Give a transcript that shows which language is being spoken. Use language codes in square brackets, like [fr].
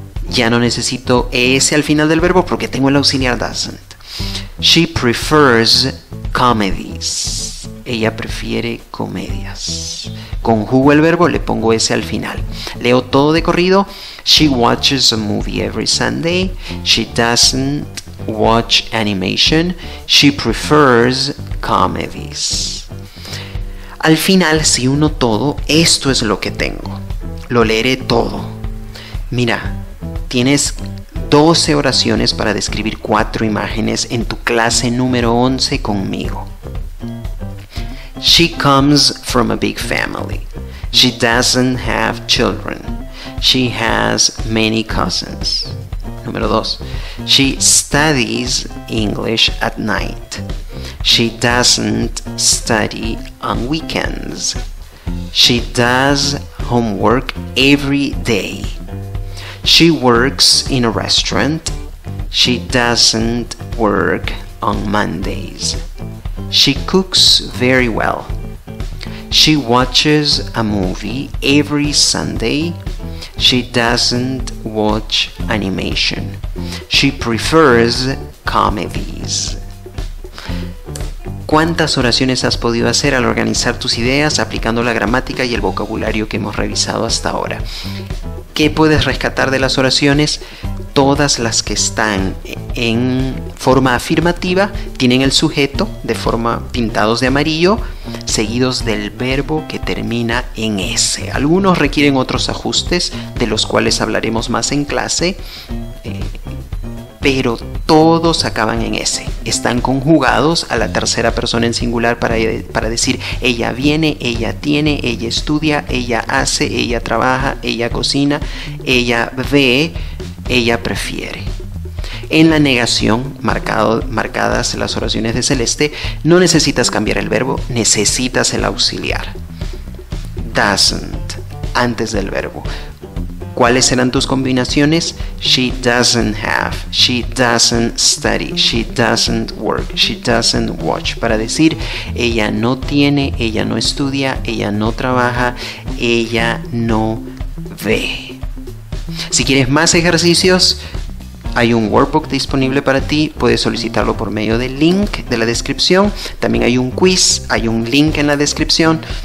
[es] Ya no necesito es al final del verbo porque tengo el auxiliar doesn't. [en] She prefers comedies. [es] Ella prefiere comedias. Conjugo el verbo, le pongo ese al final. Leo todo de corrido. [en] She watches a movie every Sunday. She doesn't watch animation. She prefers comedies. [es] Al final, si uno todo, esto es lo que tengo. Lo leeré todo. Mira, tienes 12 oraciones para describir 4 imágenes en tu clase número 11 conmigo. [en] She comes from a big family. She doesn't have children. She has many cousins. [es] Número 2. [en] She studies English at night. She doesn't study on weekends. She does homework every day. She works in a restaurant. She doesn't work on Mondays. She cooks very well. She watches a movie every Sunday. She doesn't watch animation. She prefers comedies. [es] ¿Cuántas oraciones has podido hacer al organizar tus ideas aplicando la gramática y el vocabulario que hemos revisado hasta ahora? ¿Qué puedes rescatar de las oraciones? Todas las que están en forma afirmativa tienen el sujeto de forma pintados de amarillo, seguidos del verbo que termina en S. Algunos requieren otros ajustes, de los cuales hablaremos más en clase, pero todos acaban en S. Están conjugados a la tercera persona en singular para decir ella viene, ella tiene, ella estudia, ella hace, ella trabaja, ella cocina, ella ve, ella prefiere. En la negación, marcadas las oraciones de Celeste, no necesitas cambiar el verbo, necesitas el auxiliar. Doesn't, antes del verbo. ¿Cuáles serán tus combinaciones? [en] She doesn't have, she doesn't study, she doesn't work, she doesn't watch. [es] Para decir, ella no tiene, ella no estudia, ella no trabaja, ella no ve. Si quieres más ejercicios, hay un workbook disponible para ti. Puedes solicitarlo por medio del link de la descripción. También hay un quiz, hay un link en la descripción.